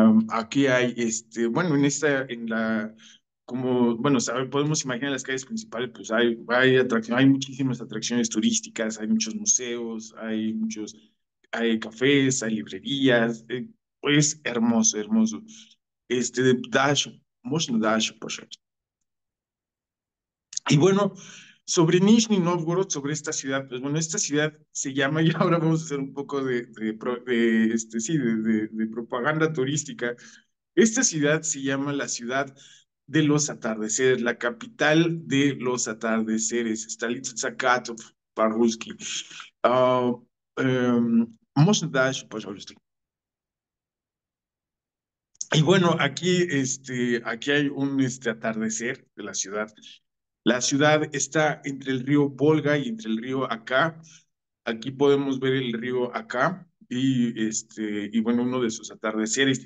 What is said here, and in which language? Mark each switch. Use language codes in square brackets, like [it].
[es] Aquí hay, bueno, en esta, en la, como, bueno, ¿sabes? Podemos imaginar las calles principales, pues hay atracción, hay muchísimas atracciones turísticas, hay muchos museos, hay cafés, hay librerías. Es hermoso, hermoso. [ru] Дальше, можно дальше, пожалуйста. [es] Y bueno, sobre Nizhny Novgorod, sobre esta ciudad, pues bueno, esta ciudad se llama, y ahora vamos a hacer un poco de propaganda turística. Esta ciudad se llama la ciudad de los atardeceres, la capital de los atardeceres, [ru] Stolitsa Zakatov, Parruski. Можно дальше, пожалуйста. [es] Y bueno, aquí hay un atardecer de la ciudad. La ciudad está entre el río Volga y entre el río Acá. Aquí podemos ver el río Acá y bueno, uno de sus atardeceres.